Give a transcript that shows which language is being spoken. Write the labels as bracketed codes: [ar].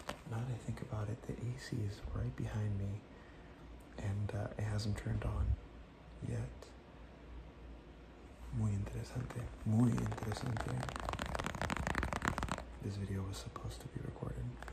[en] Now that I think about it, the AC is right behind me, and it hasn't turned on yet. [es] Muy interesante, muy interesante. [en] This video was supposed to be recorded.